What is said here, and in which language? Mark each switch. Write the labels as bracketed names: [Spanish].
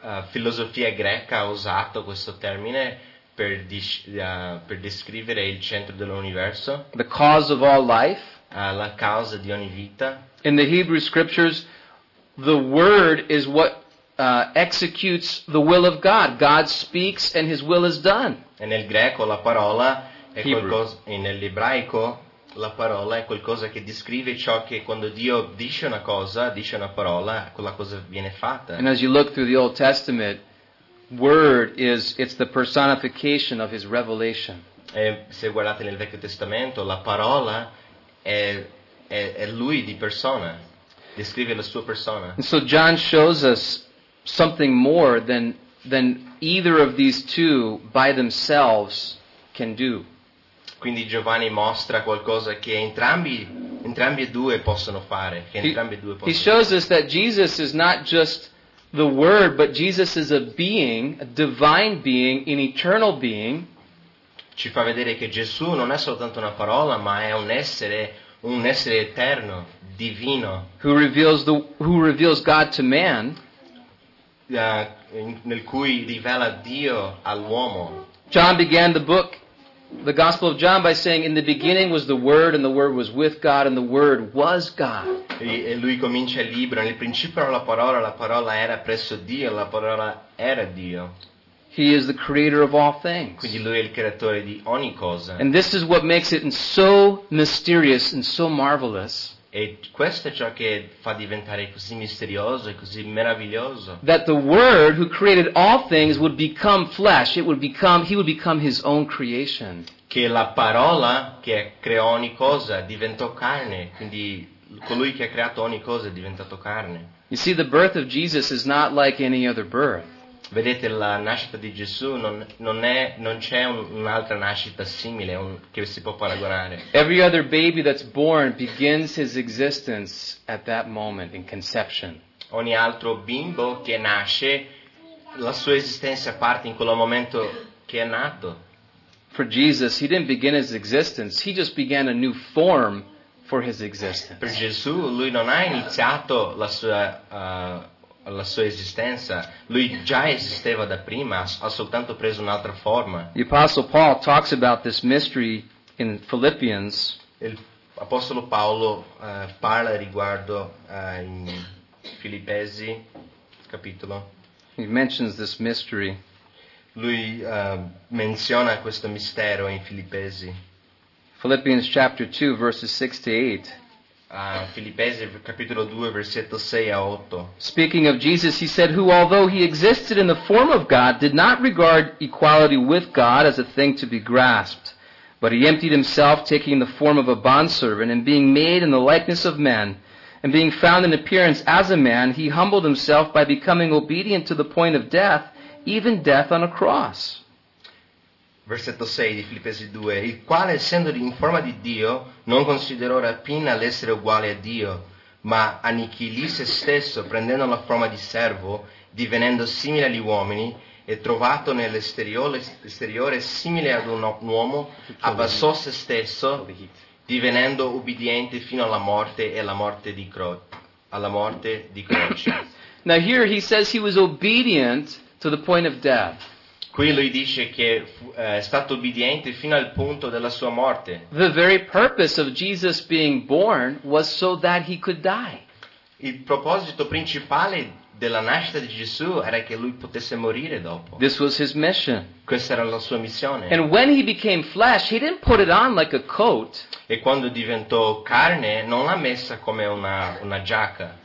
[Italian] Filosofia greca ha usato questo termine per descrivere il centro dell'universo. [English] The cause of all life. [Italian] La causa di ogni vita. [English] In the Hebrew scriptures, the word is what executes the will of God. God speaks and his will is done. [Italian] E nel greco la parola è qualcosa, e nell'ebraico la parola è qualcosa che descrive ciò che quando Dio dice una cosa, dice una parola, quella cosa viene fatta. [English] And as you look through the Old Testament, word is, it's the personification of his revelation. [Italian] E se guardate nel Vecchio Testamento, la parola è lui di persona, descrive la sua persona. [English] And so John shows us something more than either of these two by themselves can do. [Italian] Quindi Giovanni mostra qualcosa che entrambi e due possono fare. [English] He shows us that Jesus is not just the Word, but Jesus is a being, a divine being, an eternal being. [Italian] Ci fa vedere che Gesù non è soltanto una parola, ma è un essere eterno, divino. [English] Who reveals God to man. [Italian] Nel cui rivela Dio all'uomo. [English] John began the book the Gospel of John by saying, "In the beginning was the Word, and the Word was with God, and the Word was God." [Italian] E lui comincia il libro: nel principio era la parola era presso Dio, la parola era Dio. [English] He is the creator of all things. [Italian] Quindi lui è il creatore di ogni cosa. [English] And this is what makes it so mysterious and so marvelous. [Italian] E questo è ciò che fa diventare così misterioso e così meraviglioso. [English] That the Word who created all things would become flesh, he would become his own creation. [Italian] Che la parola che creò ogni cosa diventò carne, quindi colui che ha creato ogni cosa è diventato carne. [English] You see, the birth of Jesus is not like any other birth. [Italian] Vedete, la nascita di Gesù non c'è un'altra nascita simile che si può paragonare. [English] Every other baby that's born begins his existence at that moment in conception. [Italian] Ogni altro bimbo che nasce, la sua esistenza parte in quel momento che è nato. [English] For Jesus, he didn't begin his existence, he just began a new form for his existence. [Italian] Per Gesù, lui non ha iniziato la sua esistenza, lui già esisteva da prima, ha soltanto preso un'altra forma. [English] The Apostle Paul talks about this mystery in Philippians. [Italian] Il Apostolo Paolo parla riguardo in Filippesi capitolo. [English] He mentions this mystery. [Italian] Lui menziona questo mistero in Filippesi. [English] Philippians chapter 2 verses 6 to 8. [Italian] Filippesi capitolo 2 versetto 6 a 8. [English] Speaking of Jesus, he said, who although he existed in the form of God did not regard equality with God as a thing to be grasped, but he emptied himself, taking the form of a bondservant, and being made in the likeness of men, and being found in appearance as a man, he humbled himself by becoming obedient to the point of death, even death on a cross. [Italian] Versetto 6 di Filippesi 2, il quale, essendo in forma di Dio, non considerò rapina l'essere uguale a Dio, ma annichilì se stesso, prendendo la forma di servo, divenendo simile agli uomini, e trovato nell'esteriore simile ad un uomo, abbassò se stesso, divenendo ubbidiente fino alla morte e alla morte di croce. [English] Now here he says he was obedient to the point of death. [Italian] Qui lui dice che è stato obbediente fino al punto della sua morte. [English] The very purpose of Jesus being born was so that he could die. [Italian] Il proposito principale della nascita di Gesù era che lui potesse morire dopo. [English] This was his mission. [Italian] Questa era la sua missione. [English] And when he became flesh, he didn't put it on like a coat. [Italian] E quando diventò carne, non l'ha messa come una giacca.